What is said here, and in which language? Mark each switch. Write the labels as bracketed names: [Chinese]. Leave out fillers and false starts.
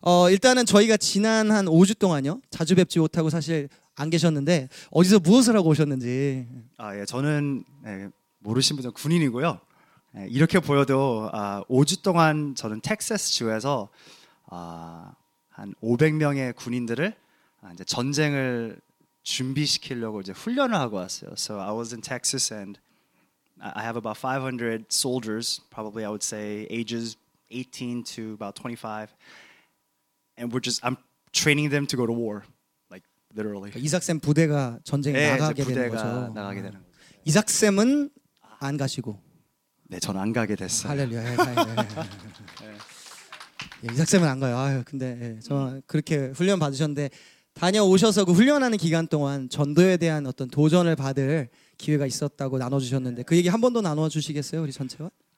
[Korean] 일단은 저희가 지난 한 5주 동안요 자주 뵙지 못하고 사실 안 계셨는데 어디서 무엇을 하고 오셨는지. 아 예, 저는 예, 모르신 분은 군인이고요. 이렇게 보여도 5주 동안 저는 텍사스 주에서 한 500명의 군인들을 이제 전쟁을 준비시키려고 이제 훈련을 하고 왔어요. [English] So I was in Texas and I have about 500 soldiers, probably I would say ages 18 to about 25, and I'm training them to go to war, like literally. [Korean] 이삭쌤 부대가 전쟁에 네, 나가게 부대가 되는 거죠. 나가게 되는 거죠. 이삭쌤은 안 가시고. 네, 저는 안 가게 됐어요. 할렐루야. 예, 이삭쌤은 안 가요. 아유, 근데 예, 저 그렇게 훈련 받으셨는데 다녀오셔서 그 훈련하는 기간 동안 전도에 대한 어떤 도전을 받을 기회가 있었다고 나눠주셨는데 그 얘기 한 번 더 나눠주시겠어요, 우리 전체와?